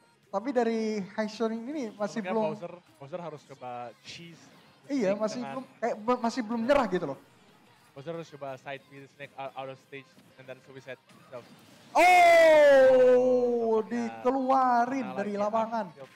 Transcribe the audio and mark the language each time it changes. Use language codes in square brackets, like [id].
[id] Tapi dari Heiser ini masih belum. Bowser harus coba cheese. Iya, masih belum nyerah gitu loh. Bowser harus coba [en] side B Snake out of stage and then suicide himself. [id] Oh, dikeluarin dari lapangan.